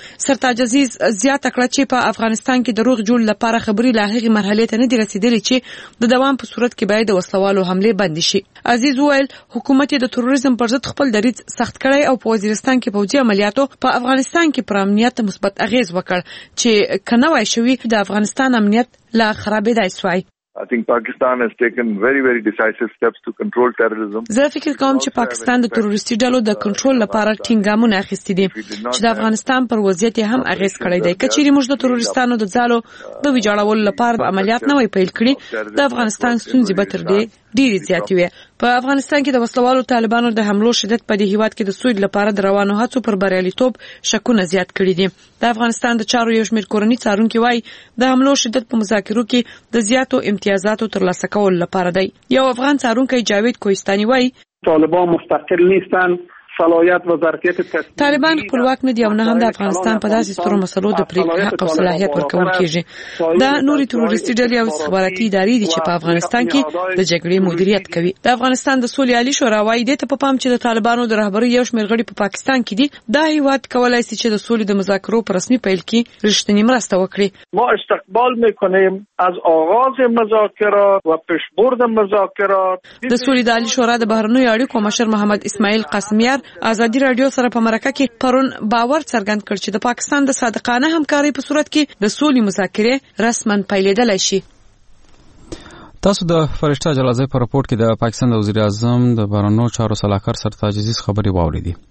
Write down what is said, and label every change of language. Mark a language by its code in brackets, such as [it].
[ps] سرتاج عزیز زیاته کړه چې په افغانستان کې د روغ جوړ لپاره خبرې لا هغې مرحلې ته نه دي رسیدلې چې د دوام په صورت کې باید د وسلوالو حملې بندې شي. عزیز وویل حکومت یې د تروریزم پر ضد خپل دریځ سخت کړی او په وزیرستان کې پوځي عملیاتو په افغانستان کې پر امنیت مثبت اغېز وکړ، چې که نه وای شوی د افغانستان امنیت لا خرابېدای سوای. [en] I think Pakistan has taken very very decisive steps to control terrorism. [ps] زه فکر کوم چې پاکستان د تروریستي ډلو د کنټرول لپاره ټینګامونه اخیستي دي چې د افغانستان پر وضعیت هم اغیز کړی دی. کچېری موږ د تروریستانو د ځالو د ویجاړولو لپاره عملیات نه وای پیل کړی، د افغانستان ستونزې به تر دې ډېرې زیاتې وې. په افغانستان کې د وسلوالو طالبانو د حملو شدت په دې هیواد کې د سوید لپاره د روانو هڅو پر بریالیتوب شکونه زیات کړي دي. د افغانستان د چارو یو شمېر کورنۍ څارونکي وایي د حملو شدت په مذاکرو کې د زیاتو امتیازاتو ترلاسه کولو لپاره دی. یو افغان څارونکی جاوید کوهستانی وایي [fa] طالبان مستقل نیستن، صلاحیت و ظرفیت [ps] طالبان خپلواک نه دي او نه هم د افغانستان په داسې سترو مسلو د پریکړه حق او صلاحیت ورکول کیږي. دا نورې تروریستي ډلې او استخباراتي ادارې دي چې په افغانستان کې د جګړې مدیریت کوي. د افغانستان د سولې عالي شورا وایي دې ته په پام چې د طالبانو د رهبرۍ یو شمېر غړي په پاکستان کې دي، دا هیواد کولای شي چې د سولې د مذاکرو په رسمي پیل کې رښتینی مرسته وکړي. [fa] ما استقبال میکنیم از آغاز مذاکرات و پیشبرد مذاکرات. [ps] د سولې د عالي شورا د بهرنیو اړیکو مشر محمد اسماعیل قاسمیار ازادي راډیو سره په مرکه کې پرون باور څرګند کړ چې د پاکستان د صادقانه همکارۍ په صورت کې د سولې مذاکره رسمن پیلېدلای شي. تاسو د فرشتہ جلازه پر رپورت کې د پاکستان د وزیر اعظم د بارنو چارو صلاحکار سرتاج عزیز خبرې واوریدي.